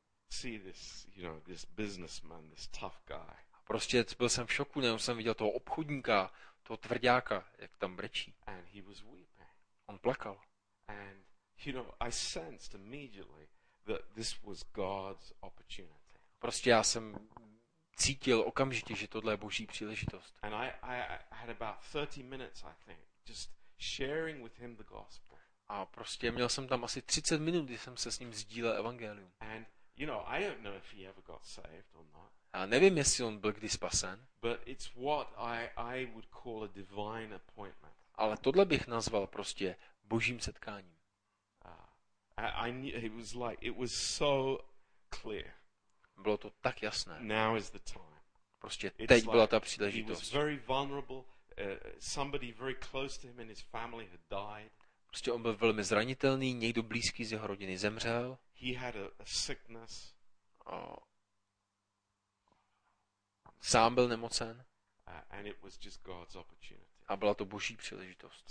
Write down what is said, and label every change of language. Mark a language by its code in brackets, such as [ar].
[en] See this, you know, this businessman, this tough guy. [cs] Prostě byl jsem v šoku, nebo jsem viděl toho obchodníka, toho tvrdáka, jak tam brečí. [en] And he was weeping. [cs] On plakal. [en] And you know, I sensed immediately that this was God's opportunity. [cs] Prostě já jsem cítil okamžitě, že tohle je Boží příležitost. [en] And I had about 30 minutes, I think, just sharing with him the gospel. [cs] A prostě měl jsem tam asi 30 minut, kdy jsem se s ním sdílel evangelium. [en] And you know, I don't know if he ever got saved or not. [cs] A nevím, jestli on byl kdy spasen. [en] But it's what I would call a divine appointment. [cs] Ale tohle bych nazval prostě Božím setkáním. [en] I knew, it was like, it was so clear. [cs] Bylo to tak jasné. [en] Now is the time. [cs] Prostě teď it's byla ta příležitost. [en] He was very vulnerable. Somebody very close to him and his family had died. [cs] Prostě on byl velmi zranitelný, někdo blízký z jeho rodiny zemřel. [en] He had a sickness. [cs] Sám byl nemocen. [en] And it was just God's opportunity. [cs] A byla to Boží příležitost.